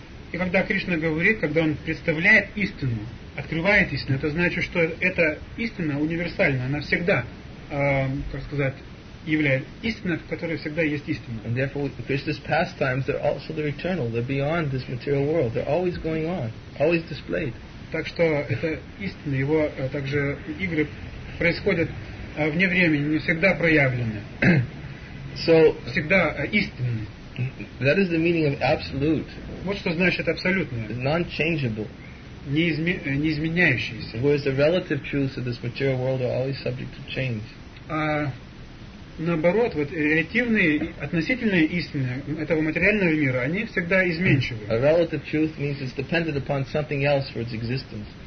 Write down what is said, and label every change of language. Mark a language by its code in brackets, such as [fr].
[ru] И когда Кришна говорит, когда он представляет истину, открывает истину, это значит, что эта истина универсальна, она всегда, как сказать, является истина, в которой всегда есть истина. [en] And therefore, Krishna's pastimes, they're also they're eternal, they're beyond this material world, they're always going on, always displayed. [ru] Так что это истина, его также игры происходят вне времени, не всегда проявлены. [en] So, [ru] всегда истинны. [en] That is the meaning of absolute. [ru] Вот что значит абсолютное. [en] Non-changeable. [ru] Неизменяющееся. [en] Whereas the relative truths of this material world are always subject to change. [ru] А наоборот, вот релятивные, относительные истины этого материального мира, они всегда изменчивы. [en] A relative truth means it's dependent upon something else for its existence.